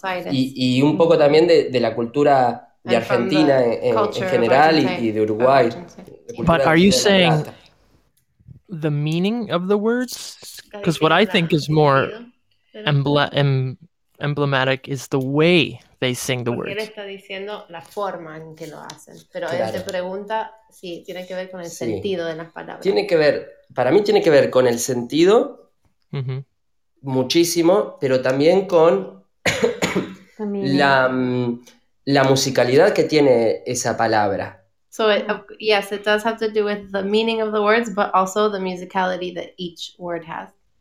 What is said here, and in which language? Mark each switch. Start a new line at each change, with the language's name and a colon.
Spanish: Y un poco también de la cultura de
English: and
Spanish: Argentina en general y de Uruguay.
English: But are you saying the meaning of the words? Because what I think is more emblematic is the way they sing the words.
Spanish: Él está diciendo la forma en que lo hacen, pero claro. Él te pregunta si tiene que ver con el sentido de las palabras. Tiene que ver, para mí tiene que ver con el sentido muchísimo, pero también con la musicalidad que tiene esa palabra.
English: So yes, it does have to do with the meaning of the words, but also the musicality that each word has.